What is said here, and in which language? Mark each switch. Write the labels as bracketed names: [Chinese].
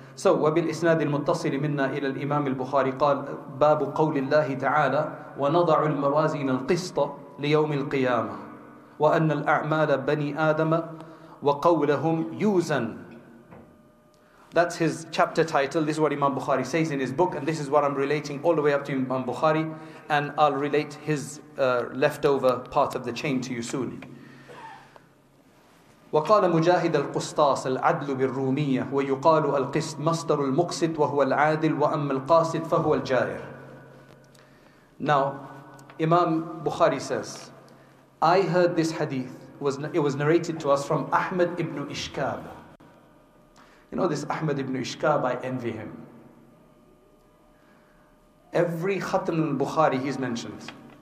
[Arabic] So, وَبِالْ إِسْنَادِ الْمُتَّصِلِ مِنَّا إِلَى الْإِمَامِ الْبُخَارِ قَالَ بَابُ قَوْلِ اللَّهِ تَعَالَى وَنَضَعُ الْمَوَازِينَ الْقِسْطَ لِيَوْمِ الْقِيَامَةِ وَأَنَّ الْأَعْمَالَ بَنِي آدَمَ وَقَوْلَهُمْ يُوزًا. [English] That's his chapter title. This is what Imam Bukhari says in his book. And this is what I'm relating all the way up to Imam Bukhari. And I'll relate his leftover part of the chain to you soon. [Arabic] وقال مجاهد القسطاس العدل بالرومية ويقال القسط مصدر المقسط وهو العادل وأما القاسط فهو الجائر. [English] Now, Imam Bukhari says, I heard this hadith. It was narrated to us from Ahmed ibn Ishkab. You know this Ahmed ibn Ishkab, I envy him. Every Khatam al-Bukhari he's mentioned.